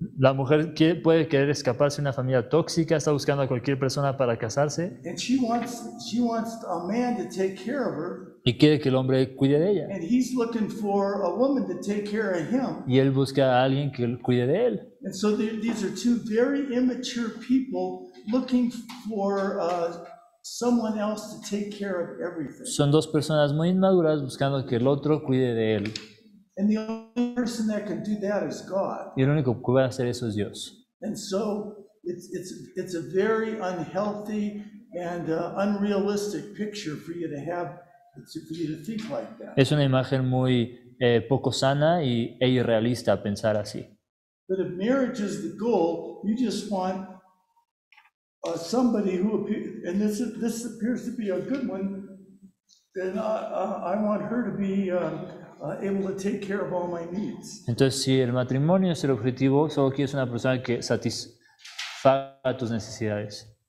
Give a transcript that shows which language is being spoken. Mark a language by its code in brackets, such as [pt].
[es] La mujer puede querer escaparse de una familia tóxica, está buscando a cualquier persona para casarse. [en] And she wants a man to take care of her. [es] Y quiere que el hombre cuide de ella. [en] And he's looking for a woman to take care of him. [es] Y él busca a alguien que cuide de él. [en] And so these are two very immature people looking for someone else to take care of everything. [es] Son dos personas muy inmaduras buscando que el otro cuide de él. [en] And the only person that can do that is God. [es] Y el único que puede hacer eso es Dios. [en] And so it's a very unhealthy and unrealistic picture for you to have, for you to think like that. [es] Es una imagen muy poco sana e irrealista pensar así. [en] But if marriage is the goal, you just want somebody who appears, and this appears to be a good one, then I want her to be able to take care of all my needs. [es] Entonces, si el matrimonio es el objetivo, solo quieres una persona que satisfaga tus necesidades.